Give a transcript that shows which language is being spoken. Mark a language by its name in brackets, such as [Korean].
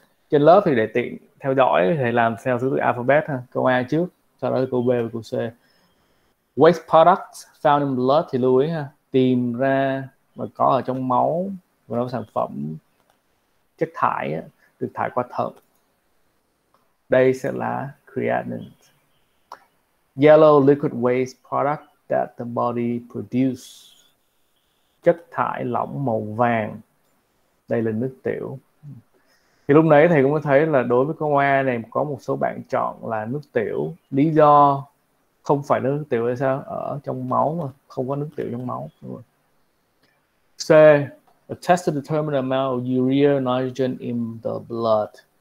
[Vietnamese] Trên lớp thì để tiện theo dõi thì làm theo thứ tự alphabet ha, câu A trước, sau đó là câu B và câu C. [English] Waste products found in blood [Vietnamese] thì lưu ý ha, tìm ra và có ở trong máu và nó sản phẩm chất thải được thải qua thận. Đây sẽ là creatinine. [English] Yellow liquid waste product that the body produce. [Vietnamese] Chất thải lỏng màu vàng. Đây là nước tiểu. Thì lúc nãy thầy cũng có thấy là đối với câu A này có một số bạn chọn là nước tiểu. Lý do Không phải nước tiểu hay sao? Ở trong máu mà, không có nước tiểu trong máu. Đúng rồi. C. [English] A test to determine the amount of urea nitrogen in the blood.